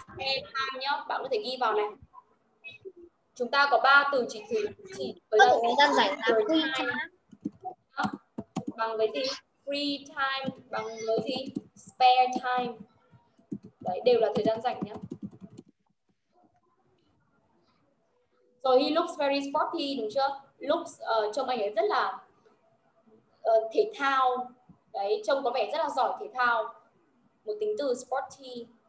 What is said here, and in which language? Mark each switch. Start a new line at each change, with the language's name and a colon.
Vietnamese: Time nhá, bạn có thể ghi vào này. Chúng ta có 3 từ chỉ thị chỉ với thời gian rảnh là free time bằng với gì? Free time bằng với gì? Spare time. Đấy, đều là thời gian rảnh nhá.
English: So he looks very sporty,
Vietnamese: đúng chưa? Looks trông anh ấy rất là thể thao. Đấy, trông có vẻ rất là giỏi thể thao. Một tính từ sporty.